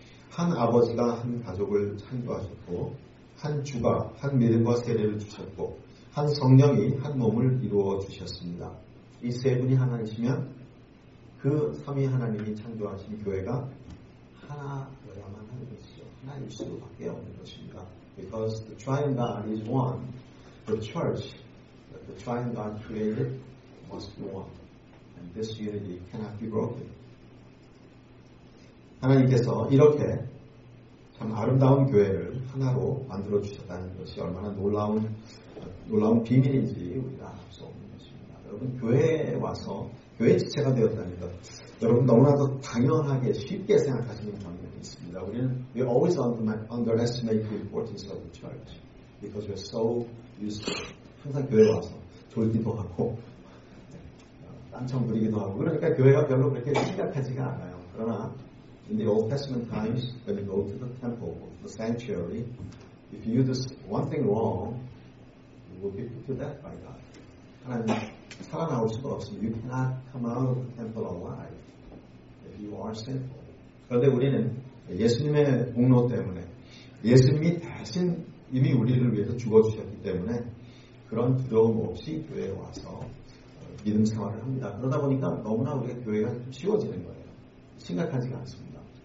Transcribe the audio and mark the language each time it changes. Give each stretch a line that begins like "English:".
Korean: 한 아버지가 한 가족을 창조하셨고 한 주가 한 믿음과 세례를 주셨고 한 성령이 한 몸을 이루어 주셨습니다. 이 세 분이 하나이시면 그 삼위 하나님이 창조하신 교회가 하나여야만 하는 것이죠. 하나일 수밖에 없는 것입니다.
English: Because the triune God is one, the church, the triune God created must be one. And this unity cannot be broken.
Korean: 하나님께서 이렇게 참 아름다운 교회를 하나로 만들어주셨다는 것이 얼마나 놀라운 비밀인지 우리가 알 수 없는 것입니다. 여러분, 교회에 와서 교회 지체가 되었다는 것, 여러분 너무나도 당연하게 쉽게 생각하시는 경향이 있습니다. 우리는
English: we always underestimate the importance of the church because we're so used to it.
Korean: 항상 교회 와서 졸기도 하고 땀청 부리기도 하고 그러니까 교회가 별로 그렇게 심각하지가 않아요. 그러나
English: in the Old Testament times, when you go to the temple, the sanctuary, if you do one thing wrong, you will be put to death by God.
Korean: 하나님, 살아나올 수가 없어요.
English: You cannot come out of the temple alive if you are sinful.
Korean: 그런데 우리는 예수님의 공로 때문에, 예수님이 대신 이미 우리를 위해서 죽어주셨기 때문에 그런 두려움 없이 교회에 와서 믿음 생활을 합니다. 그러다 보니까 너무나 우리가 교회가 쉬워지는 거예요. 심각하지가 않습니다.